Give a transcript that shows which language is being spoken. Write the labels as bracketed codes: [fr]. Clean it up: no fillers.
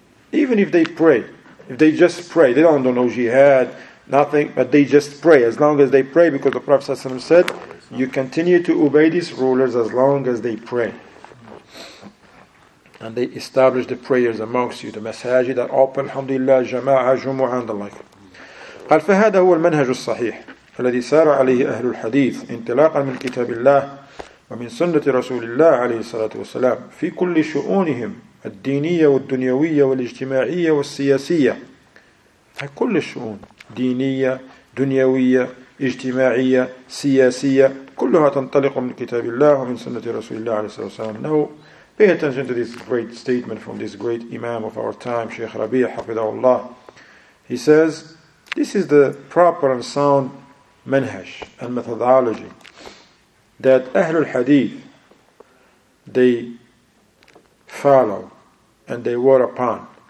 [en] Even if they pray, if they just pray, they don't know jihad, nothing, but they just pray, as long as they pray, because the Prophet ﷺ said, you continue to obey these rulers as long as they pray. And they establish the prayers amongst you, the masajid are open, alhamdulillah, jama'ah, jumu'ah, and the like. [ar] قال فهذا هو المنهج الصحيح الذي سار عليه أهل الحديث انطلاقا من كتاب الله ومن سنة رسول الله عليه الصلاة والسلام في كل شؤونهم الدينية والدنيوية والاجتماعية والسياسية. كل الشؤون دينية دنيوية اجتماعية سياسية كلها تنطلق من كتاب الله ومن سنة رسول الله عليه الصلاة والسلام. [en] Pay attention to this great statement from this great imam of our time, Shaykh Rabi' Hafidhahullah. He says, this is the proper and sound manhaj and methodology that Ahlul Hadith, they follow and they work upon.